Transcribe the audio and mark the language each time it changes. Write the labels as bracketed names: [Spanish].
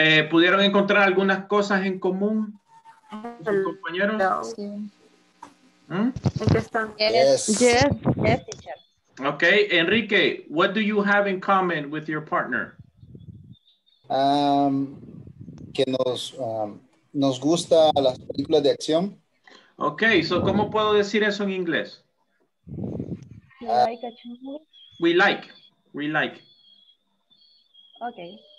[Spanish] ¿Pudieron encontrar algunas cosas en común con sus compañeros? No. Sí. ¿En qué están? [English] Yes. Okay, Enrique, what do you have in common with your partner? [Spanish] Que nos nos gusta las películas de acción. [English] Okay, so [Spanish] ¿cómo puedo decir eso en inglés? [English] We like. Okay.